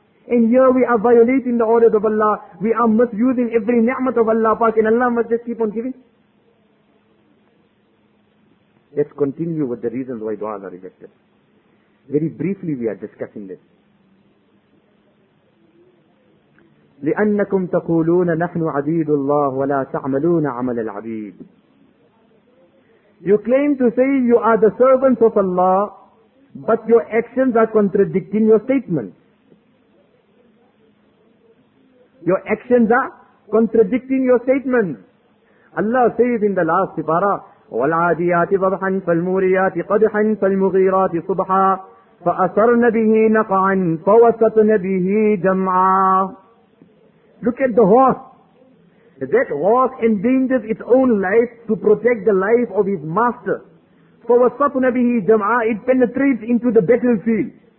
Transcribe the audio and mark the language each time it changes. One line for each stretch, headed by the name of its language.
English: And here we are violating the orders of Allah. We are misusing every ni'mat of Allah Pak and Allah must just keep on giving. Let's continue with the reasons why du'as are rejected. Very briefly we are discussing this.
Arabic: لأنكم تقولون نحن عبيد الله ولا تعملون عمل العبيد.
English: You claim to say you are the servants of Allah, but your actions are contradicting your statement. Your actions are contradicting your statement. Allah says in the last sifara,
Arabic: والعاديات ضبحا فالموريات قدحا فالمغيرات صبحا فأثرن به نقعا فوسطن به جمعا.
English: Look at the horse. That horse endangers its own life to protect the life of his master. For
Arabic: وَصَّطُنَ بِهِ جَمْعَىٰ
English: it penetrates into the battlefield.